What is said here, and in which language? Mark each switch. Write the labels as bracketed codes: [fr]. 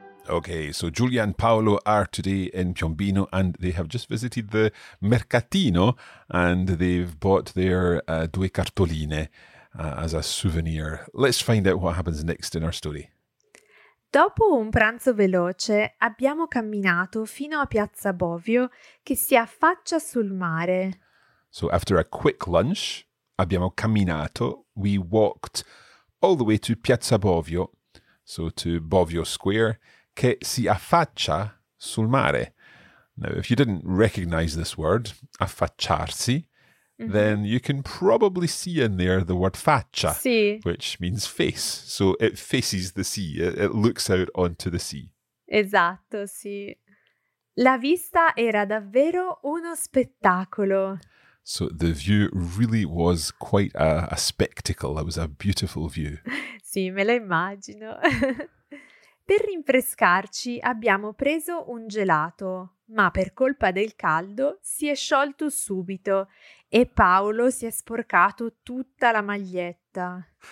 [en] Okay, so Giulia and Paolo are today in Piombino and they have just visited the Mercatino and they've bought their [it] due cartoline [en] as a souvenir. Let's find out what happens next in our story. [it] Dopo un pranzo veloce, abbiamo camminato fino a Piazza Bovio, che si affaccia sul mare. [en] So after a quick lunch, [it] abbiamo camminato, [en] we walked all the way to Piazza Bovio, so to Bovio Square, [it] che si affaccia sul mare. [en] Now, if you didn't recognize this word, affacciarsi, mm-hmm. then you can probably see in there the word faccia, [it] sì. [en] which means face. So it faces the sea, it looks out onto the sea. [it] Esatto, sì. La vista era davvero uno spettacolo. [en] So the view really was quite a spectacle. It was a beautiful view. [it] Sì, me lo immagino. Per rinfrescarci abbiamo preso un gelato, ma per colpa del caldo si è sciolto subito e Paolo si è sporcato tutta la maglietta.